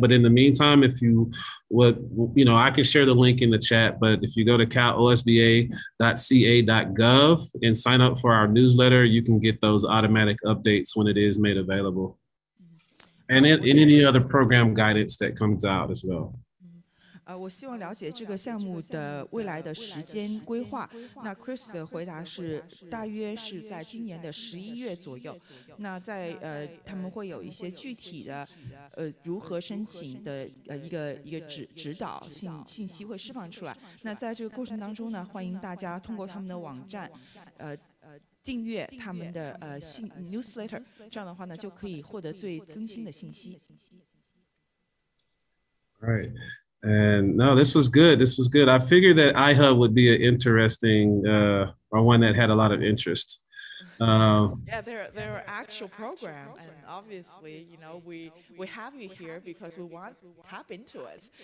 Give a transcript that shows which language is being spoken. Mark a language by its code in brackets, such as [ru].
[en] But in the meantime, if you would, you know, I can share the link in the chat, but if you go to calosba.ca.gov and sign up for our newsletter, you can get those automatic updates when it is made available. And in any other program guidance that comes out as well. [zh] 我希望了解这个项目的未来的时间规划。那 Chris 的回答是大约是在今年的11月左右。那在他们会有一些具体的如何申请的一个指导信息会释放出来。那在这个过程当中呢，欢迎大家通过他们的网站订阅他们的newsletter， 这样的话呢，就可以获得最更新的信息。Right. [en] And no, this was good. I figured that iHub would be an interesting or one that had a lot of interest. Yeah, they're an actual program. And obviously, you know, we have you here because we want to tap into it.